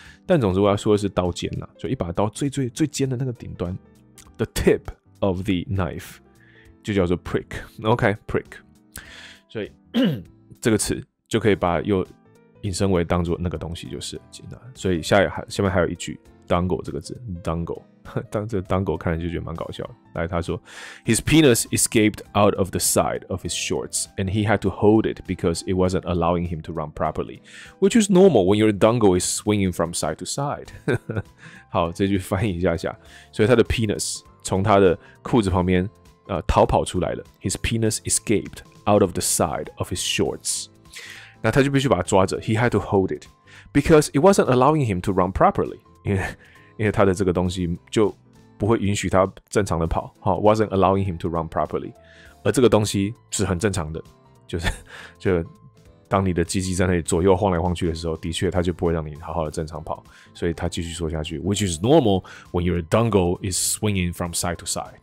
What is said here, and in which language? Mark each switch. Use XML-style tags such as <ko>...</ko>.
<zh>但总之我要说的是刀尖啦，就一把刀最最最尖的那个顶端 ，</zh> <en>the tip of the knife</en> <zh>就叫做 prick。 OK， prick， 所以这个词就可以把又。引申为当作那个东西就是，所以下面还有一句 dongle 这个字 dongle 当这当狗看了就觉得蛮搞笑的。来，他说</zh> <en>，His penis escaped out of the side of his shorts, and he had to hold it because it wasn't allowing him to run properly, which is normal when your dongle is swinging from side to side.</en> <zh>好，这句翻译一下下。所以他的 penis 从他的裤子旁边逃跑出来了。</zh> <en>His penis escaped out of the side of his shorts.</en> <zh>那他就必须把他抓着。</zh> <en>He had to hold it because it wasn't allowing him to run properly.</en> <zh>因为他的这个东西就不会允许他正常的跑、哦、</zh> <en>wasn't allowing him to run properly.</en> <zh>而这个东西是很正常的，就当你的鸡鸡在那里左右晃来晃去的时候，的确他就不会让你好好的正常跑。所以他继续说下去</zh> <en>,which is normal when your dongle is swinging from side to side.</en>